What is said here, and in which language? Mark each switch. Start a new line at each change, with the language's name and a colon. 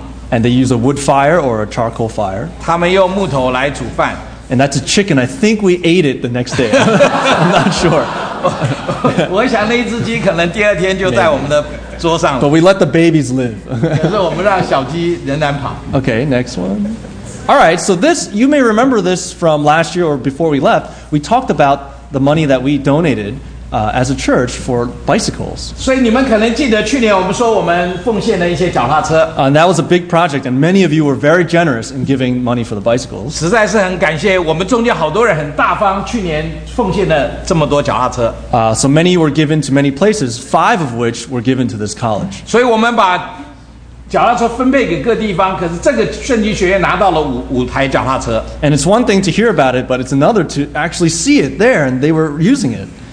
English: And they use a wood fire or a charcoal fire. And that's a chicken. I think we ate it the next day. I'm not sure.
Chinese: 我想那一只鸡可能第二天就在我们的桌上了。
English: But we let the babies live.
Chinese: 可是我们让小鸡仍然跑。
English: Okay, next one. All right, so this, you may remember this from last year or before we left. We talked about the money that we donated as a church for bicycles.
Chinese: 所以你们可能记得去年我们说我们奉献了一些脚踏车。
English: And that was a big project, and many of you were very generous in giving money for the bicycles.
Chinese: 实在是很感谢我们中间好多人很大方去年奉献了这么多脚踏车。
English: So many were given to many places, five of which were given to this college.
Chinese: 所以我们把脚踏车分配给各地方，可是这个圣经学院拿到了五台脚踏车。
English: And it's one thing to hear about it, but it's another to actually see it there, and they were using it.